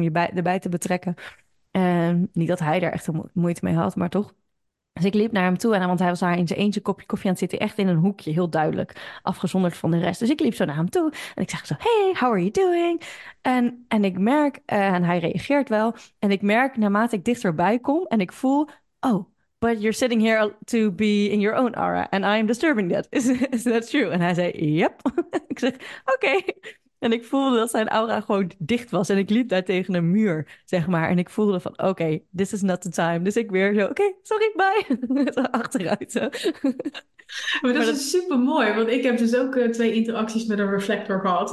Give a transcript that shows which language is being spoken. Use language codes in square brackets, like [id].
[nl] Om je erbij te betrekken. Niet dat hij daar echt moeite mee had, maar toch. Dus ik liep naar hem toe. Want hij was daar in zijn eentje kopje koffie aan het zitten. Echt in een hoekje, heel duidelijk. Afgezonderd van de rest. Dus ik liep zo naar hem toe. En ik zeg zo, [en] hey, how are you doing? [nl] En ik merk, en hij reageert wel. En ik merk, naarmate ik dichterbij kom en ik voel... [en] Oh, but you're sitting here to be in your own aura. And I'm disturbing that. Is that true? [nl] En hij zei, [en] yep. [nl] Ik zeg, oké. En ik voelde dat zijn aura gewoon dicht was. En ik liep daar tegen een muur, zeg maar. En ik voelde van, oké, [en] this is not the time. [nl] Dus ik weer zo, oké, sorry, bye. Zo achteruit. Zo. Maar dat is super mooi, want ik heb dus ook twee interacties met een reflector gehad.